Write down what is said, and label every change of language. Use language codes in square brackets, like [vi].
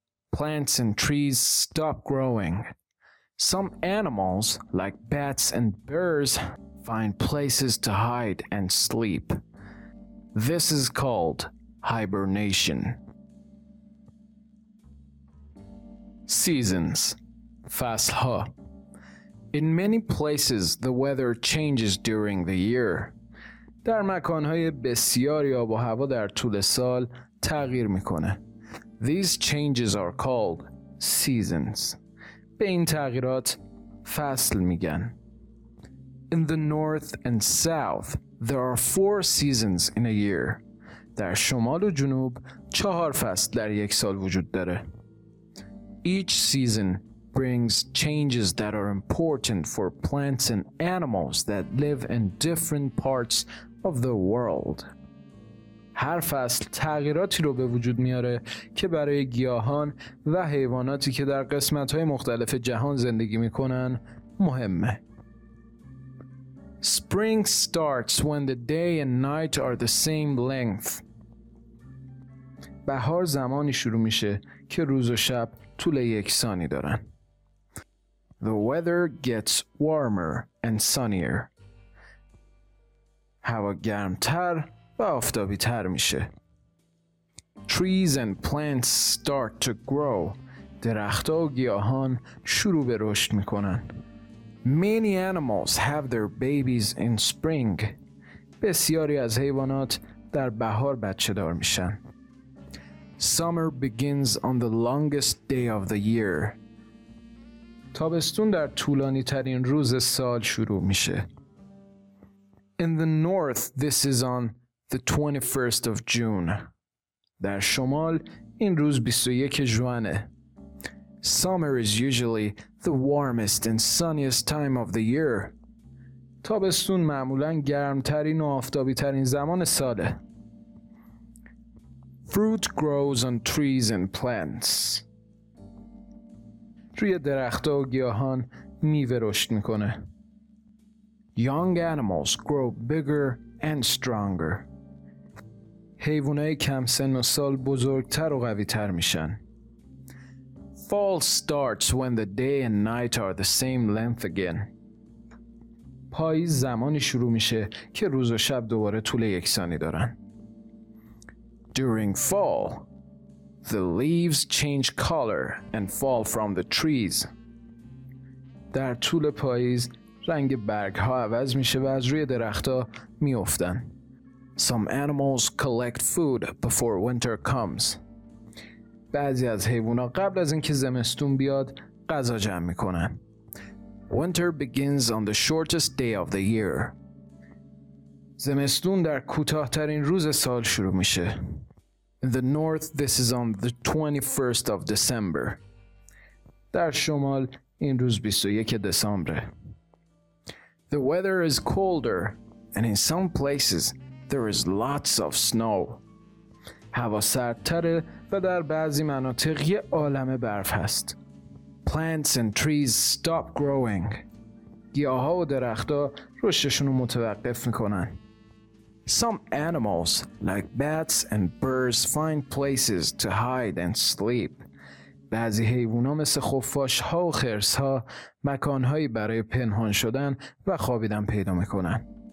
[en] Plants and trees stop growing. Some animals, like bats and bears, find places to hide and sleep. This is called hibernation. Seasons. [fa] فصلها. [en] In many places, the weather changes during the year. [fa] در مکانهای بسیاری آب و هوا در طول سال تغییر میکنه. [en] These changes are called seasons. [fa] به این تغییرات فصل میگن. [en] In the north and south, there are four seasons in a year. [fa] در شمال و جنوب چهار فصل در یک سال وجود داره. [en] Each season brings changes that are important for plants and animals that live in different parts of the world. [fa] هر فصل تغییراتی رو به وجود میاره که برای گیاهان و حیواناتی که در قسمت‌های مختلف جهان زندگی می‌کنن مهمه. [en] Spring starts when the day and night are the same length. [fa] بهار زمانی شروع میشه که روز و شب طول یکسانی دارن. [en] The weather gets warmer and sunnier. [fa] هوا گرمتر و آفتابی‌تر میشه. [en] Trees and plants start to grow. [fa] درخت‌ها و گیاهان شروع به رشد میکنن. [en] Many animals have their babies in spring. [fa] بسیاری از حیوانات در بهار بچه دار میشن. [en] Summer begins on the longest day of the year. [fa] تابستون در طولانی ترین روز سال شروع میشه. [en] In the north, this is on the 21st of June. [fa] در شمال این روز 21 ژوئنه. [en] Summer is usually the warmest and sunniest time of the year. [fa] تابستون معمولاً گرمترین و آفتابی ترین زمان ساله. [en] Fruit grows on trees and plants. [fa] روی درخت‌ها و گیاهان میوه رشد میکنه. [en] Young animals grow bigger and stronger. [fa] حیوانای کم سن و سال بزرگتر و قوی‌تر میشن. [en] Fall starts when the day and night are the same length again. [fa] پاییز زمانی شروع میشه که روز و شب دوباره طول یکسانی دارن. [en] During fall, the leaves change color and fall from the trees. [fa] در طول پاییز رنگ برگ ها عوض میشه و از روی درخت ها میافتن. [en] Some animals collect food before winter comes. [fa] بعضی از حیوان ها قبل از اینکه زمستون بیاد غذا جمع میکنن. [en] Winter begins on the shortest day of the year. [fa] زمستون در کوتاه‌ترین روز سال شروع میشه. [en] In the north, this is on the 21st of December. [fa] در شمال این روز 21 دسامبره. [en] The weather is colder and in some places there is lots of snow. [fa] هوا سردتره و در بعضی مناطق یه عالمه برف هست. [en] Plants and trees stop growing. [fa] گیاها و درخت ها رشدشون رو متوقف میکنن. [en] Some animals, like bats and birds, find places to hide and sleep. [fa] بعضی حیوان ها مثل خفاش ها و خرس ها مکان هایی برای پنهان شدن و خوابیدن پیدا میکنن.